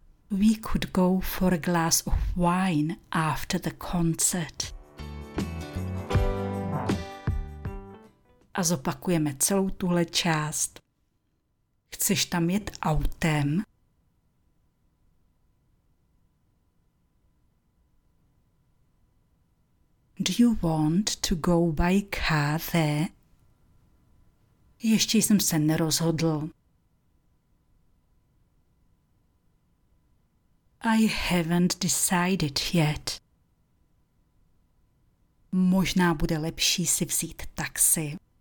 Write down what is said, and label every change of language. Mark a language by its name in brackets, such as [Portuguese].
[English] We could go for a glass of wine after the concert. [Czech] A zopakujeme celou tuhle část. Chceš tam jet autem? [English] Do you want to go by car there? [Czech] Ještě jsem se nerozhodl. [English] I haven't decided yet. [Czech] Možná bude lepší si vzít taxi.